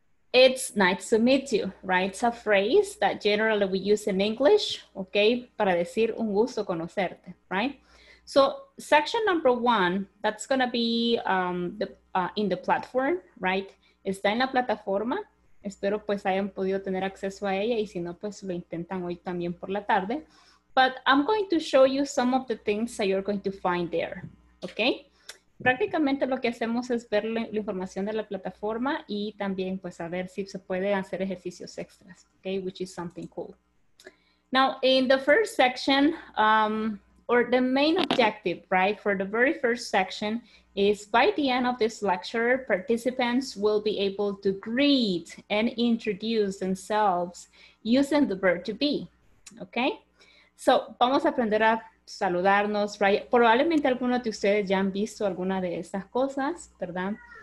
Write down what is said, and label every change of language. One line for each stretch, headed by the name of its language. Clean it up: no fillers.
English: It's nice to meet you, right? It's a phrase that generally we use in English, okay?
Spanish: Para decir un gusto conocerte,
English: right? So section number one, that's gonna be in the platform, right?
Spanish: Está en la plataforma. Espero pues hayan podido tener acceso a ella y si no, pues lo intentan hoy también por la tarde.
English: But I'm going to show you some of the things that you're going to find there.
Spanish: Ok, prácticamente lo que hacemos es ver la información de la plataforma y también pues a ver si se puede hacer ejercicios extras, ok,
English: which is something cool. Now, in the first section, or the main objective, right, for the very first section is by the end of this lecture, participants will be able to greet and introduce themselves using the verb to be, okay?
Spanish: So, vamos a aprender a saludarnos, right? Probablemente algunos de ustedes ya han visto alguna de esas cosas, ¿verdad?